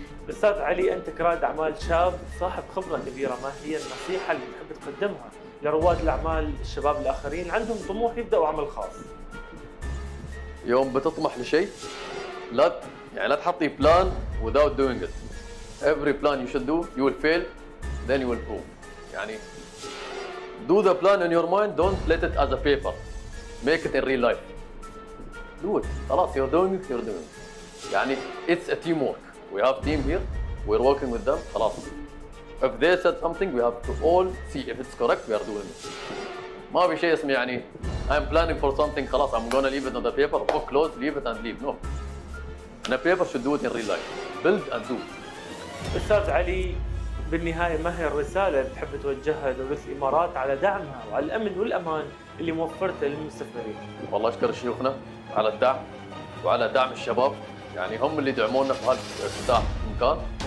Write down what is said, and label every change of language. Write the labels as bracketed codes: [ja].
[ar] استاذ علي، انت كرائد اعمال شاب صاحب خبره كبيره، ما هي النصيحه اللي تحب تقدمها لرواد الاعمال الشباب الاخرين عندهم طموح يبداوا عمل خاص؟ يوم بتطمح لشيء لا يعني لا تحطي بلان [en] without doing it. Every plan you should do you will fail then you will prove. يعني do the plan in your mind, don't let it as a paper, make it in real life, do it. خلاص you're doing it. يعني it's a teamwork, we have team here, we're working with them. خلاص if they said something we have to all see if it's correct, we are doing it. [ar] ما في شيء اسمه يعني [en] I'm planning for something, خلاص I'm gonna leave it on the paper, book close, leave it and leave. No. And a paper should do it in real life. Build and do. [ar] أستاذ علي، بالنهاية ما هي الرسالة اللي تحب توجهها لدولة الإمارات على دعمها وعلى الأمن والأمان اللي موفرته للمستثمرين؟ والله أشكر شيوخنا على الدعم وعلى دعم الشباب، يعني هم اللي دعمونا في هالافتتاح المكان.